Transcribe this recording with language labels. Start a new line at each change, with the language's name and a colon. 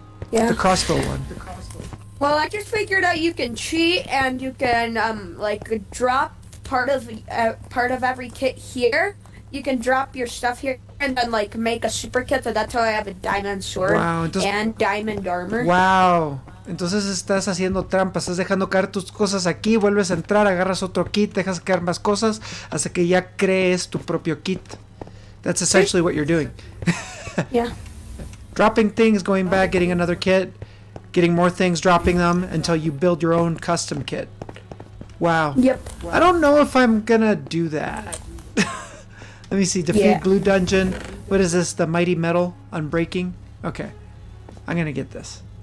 English: Yeah. The crossbow one. Well, I just figured out you can cheat and you can, drop part of every kit here. You can drop your stuff here. And then, make a super kit, so that's how I have a diamond sword.
Spanish: Wow, entonces,
English: and diamond armor. Wow.
Spanish: Entonces estás haciendo trampas, estás dejando caer tus cosas aquí, vuelves a entrar, agarras otro kit, dejas caer más cosas, hasta que ya crees tu propio kit.
English: That's essentially what you're doing. Yeah. Dropping things, going back, getting another kit, getting more things, dropping them, until you build your own custom kit. Wow. Yep. I don't know if I'm gonna do that. Let me see. Defeat Blue Dungeon. What is this? The Mighty Metal Unbreaking? Okay. I'm gonna get this.